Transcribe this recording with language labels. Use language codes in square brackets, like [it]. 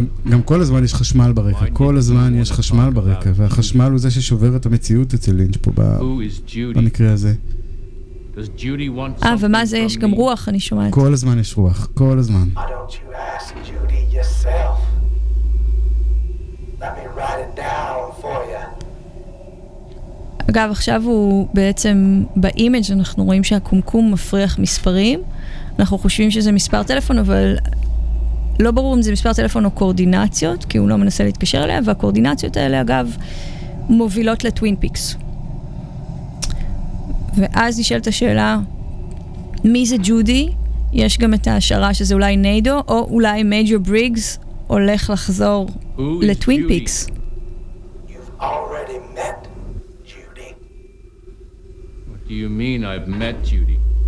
[he] גם כל הזמן יש חשמל ברקע, כל הזמן יש חשמל ברקע, והחשמל הוא זה ששובר את המציאות אצל לינץ' פה במקרה הזה. [en] Does Judy want something from me? [he] ומה זה? יש גם רוח, אני שומעת. כל הזמן יש רוח, כל הזמן. [en] Why don't you ask Judy yourself? Let me write it down for you. [he] אגב, עכשיו הוא בעצם, באימג' אנחנו רואים שהקומקום מפריח מספרים. אנחנו חושבים שזה מספר טלפון, אבל לא ברור אם זה מספר טלפון או קואורדינציות, כי הוא לא מנסה להתקשר אליה, והקואורדינציות האלה, אגב, מובילות לטווין פיקס. ואז נשאלת השאלה, מי זה ג'ודי? יש גם את ההשערה שזה אולי ניידו, או אולי מייג'ור בריגס הולך לחזור לטווין פיקס. [en] You've already met Judy. What do you mean I've met Judy?